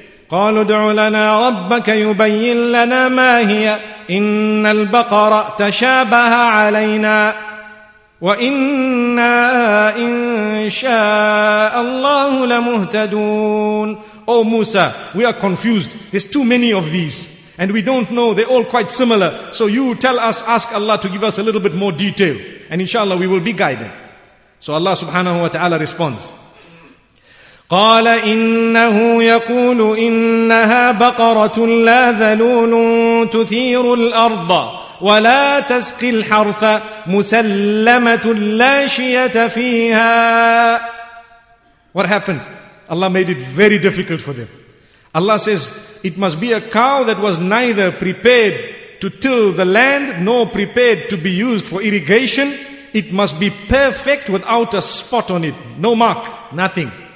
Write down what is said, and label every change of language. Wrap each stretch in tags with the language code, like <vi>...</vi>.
<ar>قَالُوا دُعُ لَنَا رَبَّكَ يُبَيِّن لَنَا مَا هِيَ إِنَّ الْبَقَرَ تَشَابَهَ عَلَيْنَا وَإِنَّا إِن شَاءَ اللَّهُ لَمُهْتَدُونَ.</ar> <en>Oh Musa, we are confused. There's too many of these, and we don't know. They're all quite similar. So you tell us, ask Allah to give us a little bit more detail, and inshallah we will be guided. So Allah subhanahu wa ta'ala responds.</en> <ar>قال إنه يقول إنها بقرة لا ذلول تثير الأرض ولا تسقي الحرث مسلمة لا شية فيها.</ar> <en>What happened? Allah made it very difficult for them. Allah says it must be a cow that was neither prepared to till the land nor prepared to be used for irrigation. It must be perfect without a spot on it, no mark, nothing.</en>